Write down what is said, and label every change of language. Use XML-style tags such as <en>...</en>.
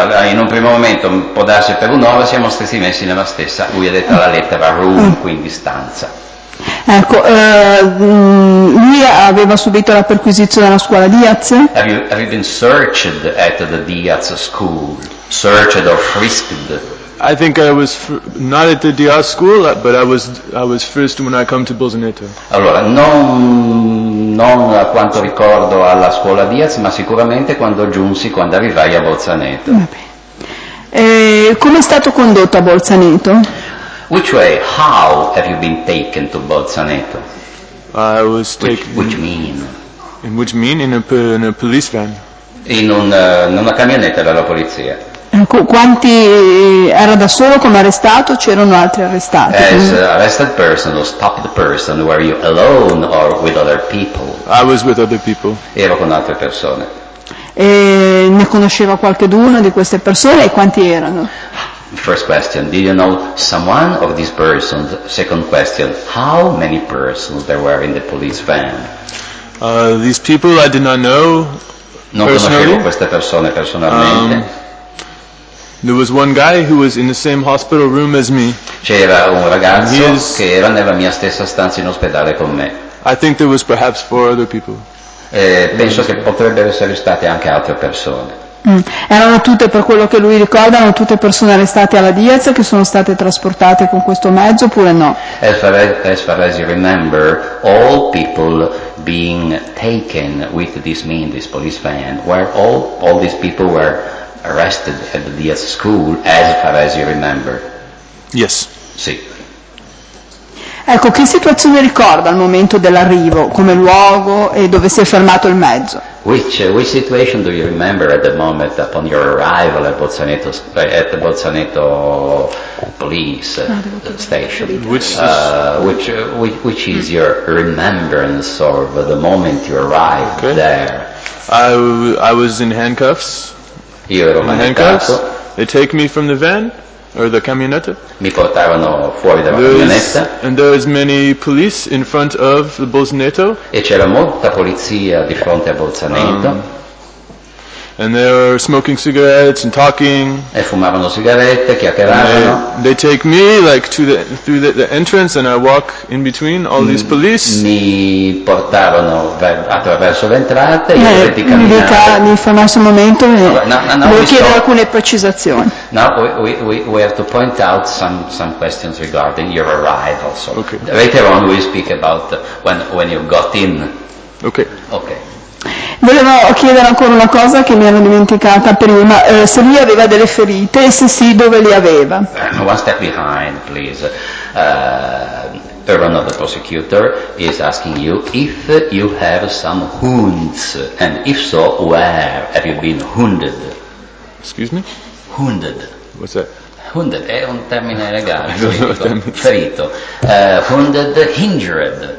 <it>in un primo momento, può darsi per un'ora, siamo stessi messi nella stessa, lui ha detto la lettera room, quindi stanza. Ecco, lui aveva subito la perquisizione alla scuola Diaz?</it> <en>Have you been searched at the Diaz school? Searched or frisked? I think I was not at the Diaz school, but I was frisked when I come to Bolzaneto.</en> <it>Allora, non a quanto ricordo alla scuola Diaz, ma sicuramente quando arrivai a Bolzaneto. Come è stato condotto a Bolzaneto?</it> <en>Which way? How have you been taken to Bolzaneto? I was taken. Which mean? In a police van.</en> <it>In una camionetta della polizia. Quanti era da solo come arrestato? C'erano altri arrestati?</it> <en>As an arrested person or stopped person, were you alone or with other people? I was with other people.</en> <it>Ero con altre persone. E ne conosceva qualcheduno di queste persone e quanti erano?</it> <en>First question, did you know someone of these persons? Second question, how many persons there were in the police van? These people I did not know.</en> <it>Non conoscevo queste persone personalmente.</it> <en>There was one guy who was in the same hospital room as me.</en> <it>C'era un ragazzo che era nella mia stessa stanza in ospedale con me.</it> <en>I think there was perhaps 4 other people.</en> <it>Penso che potrebbero essere state anche altre persone. Erano tutte, per quello che lui ricorda, erano tutte persone arrestate alla Diaz che sono state trasportate con questo mezzo oppure no?</it> <en>As far as you remember, all people being taken with this mean, this police van, where all these people were arrested at the Diaz school, as far as you remember. Yes.</en> <it>Sì. Ecco, che situazione ricorda al momento dell'arrivo, come luogo e dove si è fermato il mezzo?</it> <en>Which situation do you remember at the moment upon your arrival at the Bolzaneto police station? Which is your remembrance of the moment you arrived there? I was in handcuffs. They take me from the van or the camionetta.</en> <it>Mi portarono fuori dalla camionetta.</it> <en>And there was many police in front of the Bolzaneto.</en> <it>E c'era molta polizia di fronte a Bolzaneto.</it> <en>And they were smoking cigarettes and talking.</en> <it>E fumavano sigarette, chiacchieravano.</it> <en>They take me like through the entrance and I walk in between all these police.</en> <it>Mi portavano attraverso l'entrata e io dovetti camminare. Mi fermassi un momento e vorrei chiedere alcune precisazioni.</it> <en>Now we have to point out some questions regarding your arrival. So okay. Later on we speak about when you got in. Okay.</en> <it>Volevo chiedere ancora una cosa che mi ero dimenticata prima, se lui aveva delle ferite e se sì, dove le aveva?</it> <en>One step behind, please. Perdon of the prosecutor is asking you if you have some wounds, and if so, where have you been wounded? Excuse me? Wounded. What's that?</en> <it>Wounded è un termine legale, ferito.</it> <en>Wounded, injured.</en>